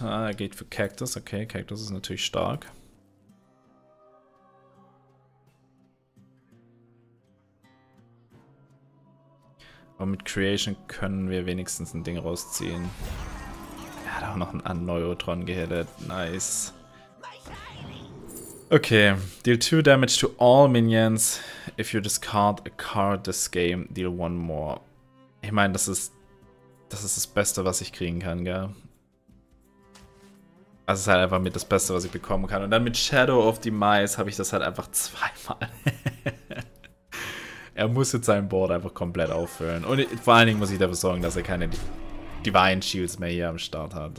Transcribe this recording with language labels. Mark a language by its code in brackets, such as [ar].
[de] Er geht für Cactus. Okay, Cactus ist natürlich stark. Aber mit Creation können wir wenigstens ein Ding rausziehen. Er hat auch noch einen Neutron gehittet. Nice. Okay. [en] Deal 2 damage to all minions. If you discard a card this game, deal 1 more. [de] Ich meine, das ist das Beste, was ich kriegen kann, gell? Also es ist halt einfach mit das Beste, was ich bekommen kann. Und dann mit Shadow of the Mice habe ich das halt einfach zweimal. Er muss jetzt sein Board einfach komplett auffüllen. Und vor allen Dingen muss ich dafür sorgen, dass er keine Divine Shields mehr hier am Start hat.